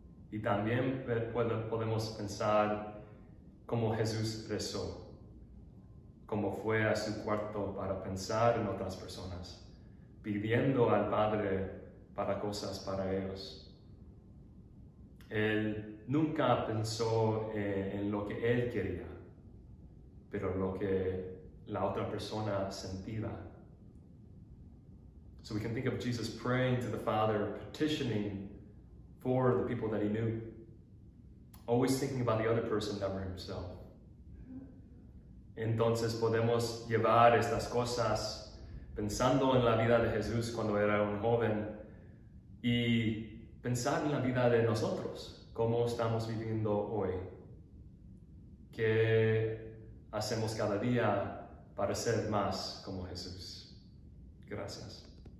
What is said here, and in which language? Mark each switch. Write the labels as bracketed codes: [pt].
[es] Y también podemos pensar cómo Jesús rezó, cómo fue a su cuarto para pensar en otras personas, pidiendo al Padre para cosas para ellos. Él nunca pensó en lo que él quería, pero lo que la otra persona sentía. [en] So we can think of Jesus praying to the Father, petitioning for the people that he knew, always thinking about the other person, never himself. [es] Entonces podemos llevar estas cosas pensando en la vida de Jesús cuando era un joven y pensar en la vida de nosotros, cómo estamos viviendo hoy, qué hacemos cada día para ser más como Jesús. Gracias.